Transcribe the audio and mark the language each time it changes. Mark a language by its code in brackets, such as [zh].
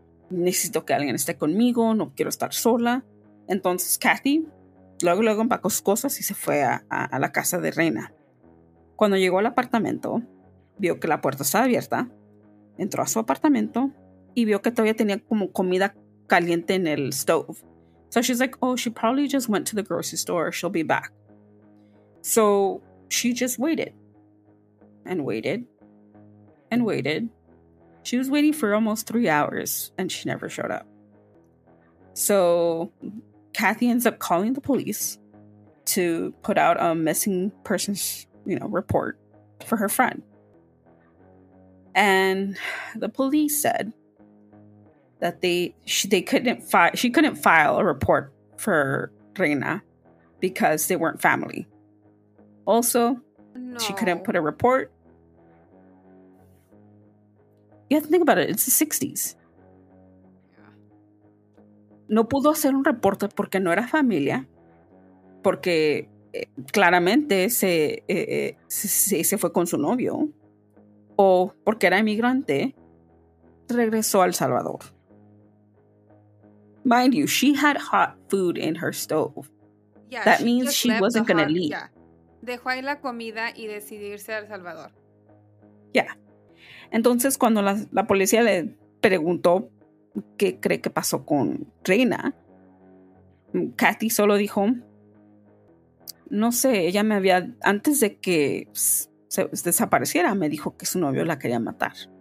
[es] Necesito que alguien esté conmigo, no quiero estar sola. Entonces Kathy luego empacó sus cosas y se fue a la casa de Reyna. Cuando llegó al apartamento, vio que la puerta estaba abierta, entró a su apartamento y vio que todavía tenía como comida caliente en el stove. [en] So she's like, oh, she probably just went to the grocery store, she'll be back. So she just waited and waited and waited. She was waiting for almost 3 hours and she never showed up. So Kathy ends up calling the police to put out a missing persons, you know, report for her friend. And the police said that she couldn't file a report for Reyna because they weren't family. Also, no. She couldn't put a report. You have to think about it. It's the 60s. [es] No pudo hacer un reporte porque no era familia. Porque claramente se fue con su novio. O porque era inmigrante. Regresó a El Salvador. [en] Mind you, she had hot food in her stove. Yeah, that means she wasn't going to leave. Yeah. [es] Dejó ahí la comida y decidirse a El Salvador. [en] Yeah. [es] Entonces, cuando la policía le preguntó qué cree que pasó con Reyna, Kathy solo dijo, no sé, ella me había, antes de que se desapareciera, me dijo que su novio la quería matar.